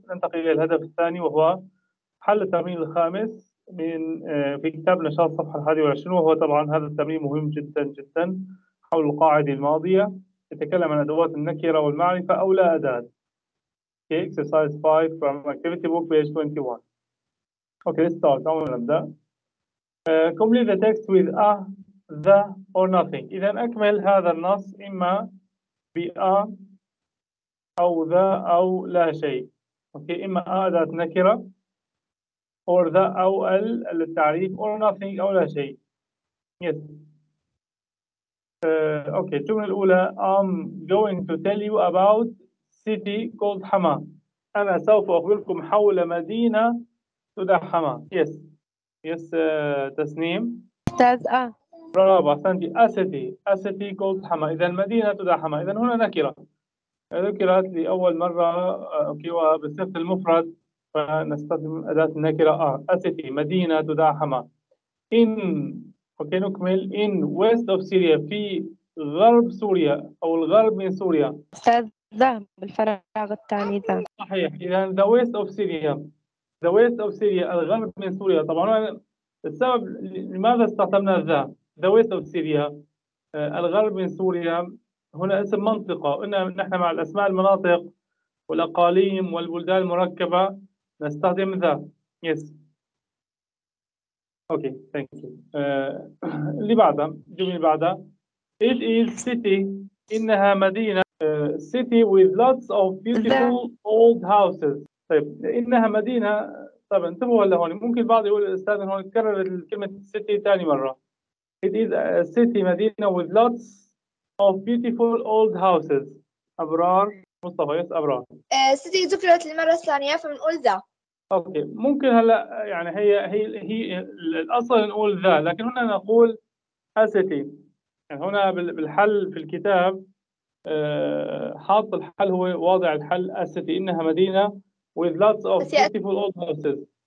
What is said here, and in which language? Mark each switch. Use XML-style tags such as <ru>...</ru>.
<ar>ننتقل إلى الهدف الثاني وهو حل التمرين الخامس من في كتاب نشاط صفحة 21، وهو طبعا هذا التمرين مهم جدا جدا حول القاعدة الماضية. يتكلم عن أدوات النكرة والمعرفة أو لا أداة.</ar> <en>Okay, exercise 5 from activity book page 21. Okay, let's start.</en> <ar>أول نبدأ.</ar> <en>Complete the text with a, the, or nothing.</en> <ar>إذا أكمل هذا النص إما ب a أو ذا أو لا شيء. أوكي، إما أداة نكرة أو ذا أو ال للتعريف أو nothing أو لا شيء.</ar> <en>Yes.</en> <ar>أوكي، الجملة الأولى</ar> <en>I'm going to tell you about city called حما.</en> <ar>أنا سوف أخبركم حول مدينة تدعى حما.</ar> <en>Yes. Yes. تسنيم.</en> <ar>أستاذ أ. برافو أحسنتي.</ar> <en>A city. A city called حما.</en> <ar>إذا المدينة تدعى حما. إذا هنا نكرة. ذكرت لي أول مرة أوكي وبالصفة المفرد فنستخدم أداة النكرة</ar> <en>A city</en> <ar>مدينة تدعى حما. إن أوكي نكمل إن</ar> <en>west of Syria</en> <ar>في غرب سوريا أو الغرب من سوريا. أستاذ ذا بالفراغ الثاني ذا. صحيح.</ar> <en>إذا the west of Syria. The west of Syria</en> <ar>الغرب من سوريا. طبعا السبب لماذا استخدمنا ذا</ar> <en>the west of Syria</en> <ar>الغرب من سوريا هنا اسم منطقة. إن نحن مع الأسماء المناطق والأقاليم والبلدان المركبة نستخدم ذا.</ar> <en>Yes. Okay. Thank you.</en> <ar>اللي بعده. جميل بعده.</ar> <en>It is city.</en> <ar>إنها مدينة.</ar> <en>City with lots of beautiful old houses.</en> <ar>طيب. إنها مدينة. طبعا انتبهوا ولا هون. ممكن بعض يقول الأستاذ هون تكرر الكلمة city تاني مرة.</ar> <en>It is a city مدينة with lots of beautiful old houses.</en> <ar>أبرار مصطفى. يس أبرار. ستي ذكرت للمرة الثانية فمنقول ذا. أوكي ممكن هلا يعني هي الأصل نقول ذا لكن هنا نقول</ar> <en>a city.</en> <ar>يعني هنا بالحل في الكتاب حاط الحل هو واضع الحل</ar> <en>a city إنها مدينة with lots of beautiful old houses.</en>